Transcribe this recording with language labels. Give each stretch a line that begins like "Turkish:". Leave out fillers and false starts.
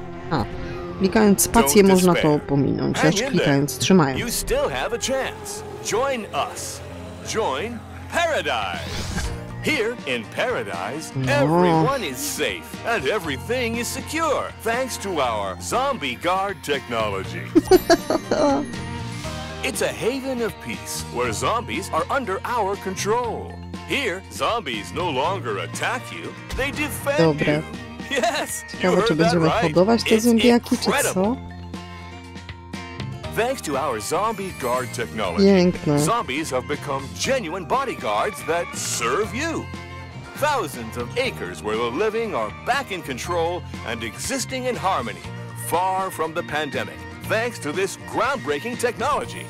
Polish: A, klikając spację można to pominąć. Lecz klikając, trzymając.
English: Join us. Join paradise. Here in paradise, everyone is safe and everything is secure thanks to our zombie guard technology. It's a haven of peace where zombies are under our control. Here, zombies no longer attack you; they defend
Polish: Dobra.
English: You. Yes.
Polish: Ciekawe, czy będziemy hodować te zombiaki, czy co?
English: Thanks to our zombie guard technology, zombies have become genuine bodyguards that serve you. Thousands of acres where the living are back in control and existing in harmony, far from the pandemic, thanks to this groundbreaking technology.